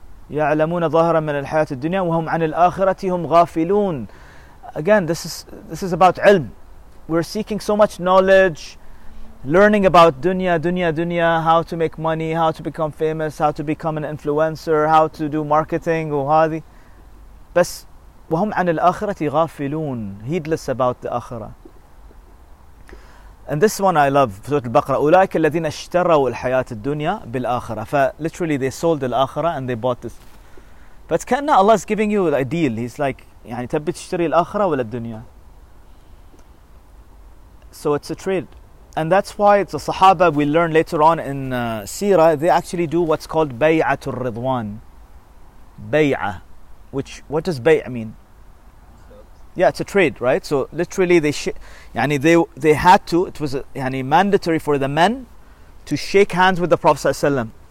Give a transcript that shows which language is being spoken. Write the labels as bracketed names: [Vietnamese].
[Arabic] يَعْلَمُونَ ظَهْرًا مِنَ الْحَيَاةِ الدُّنْيَا وَهُمْ عَنِ الْآخِرَةِ هُمْ غَافِلُونَ. [English] Again, this is about ilm. We're seeking so much knowledge, learning about dunya, how to make money, how to become famous, how to become an influencer, how to do marketing, [Arabic] وهذه. بس وهم عن الآخرة غافلون, [English] heedless about the akhirah. And this one I love, سورة البقرة. [Arabic] أولئك الذين اشتروا الحياة الدنيا بالآخرة. [English] Literally they sold the akhirah and they bought this. But [Arabic] كأن [English] Allah is giving you a deal. He's like, [Arabic] يعني تبي تشتري الآخرة ولا الدنيا. [English] So it's a trade. And that's why the Sahaba, we learn later on in Seerah, they actually do what's called Bay'atul Ridwan. Bay'ah. Which, what does Bay' mean? Yeah, it's a trade, right? So literally they had to, it was يعني, mandatory for the men to shake hands with the Prophet ﷺ.